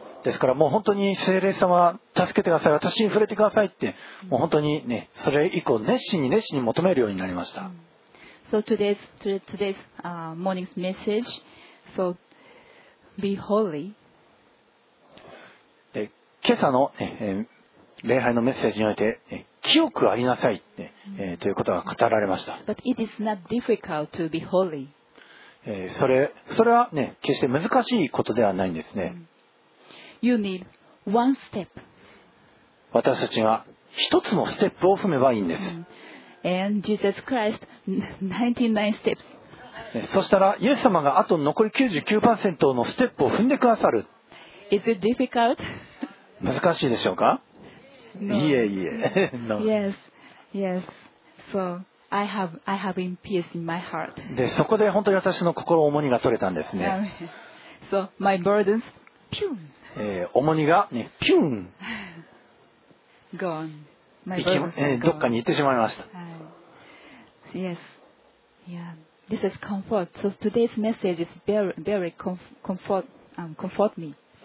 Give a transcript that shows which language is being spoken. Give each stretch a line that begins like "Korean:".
Japanese: ですからもう本当に聖霊様助けてください、私に触れてくださいって、もう本当にねそれ以降熱心に求めるようになりました。
English: So today's morning's message, so be holy.
Japanese: で今朝の、礼拝のメッセージにおいて清くありなさいって、ということが語られました。
English: But it is not difficult to be holy.
Japanese: それはね決して難しいことではないんですね。
English: You need one step.
Japanese: 私たちは一つのステップを踏めばいいんです。
English: And Jesus Christ, 99 steps.
Japanese: そしたらイエス様があと残り 99% のステップを踏んでくださる。
English: Is it difficult?
Japanese: 難しいでしょうか？
English: No.
Japanese: いえ。
English: No. Yes. So I have been peace in my heart.
Japanese: でそこで本当に私の心の重荷が取れたんですね。
English: So my burdens, pew.
Japanese: 重荷が、ね、ピューン
English: Gone.
Japanese: どっかに行ってしまいました。
English: Yes. Yeah. This is comfort. So today's message is very comfort me.